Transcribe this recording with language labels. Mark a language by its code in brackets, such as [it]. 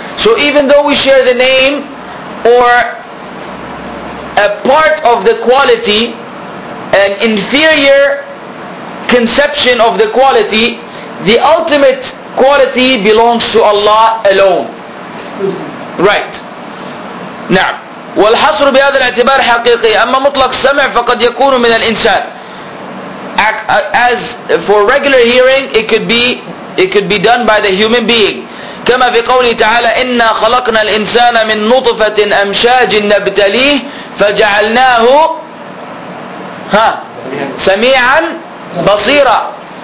[en] So even though we share the name or a part of the quality, an inferior conception of the quality, the ultimate quality belongs to Allah alone. Right. [ar] Now, والحصر بهذا الاعتبار حقيقي أما مطلق السمع فقد يكون من الإنسان. [en] As for regular hearing, it could be done by the human being. [ar] كما في قوله تعالى إنا خلقنا الإنسان من نطفة أمشاج نبتليه فجعلناه سميعا بصيرا.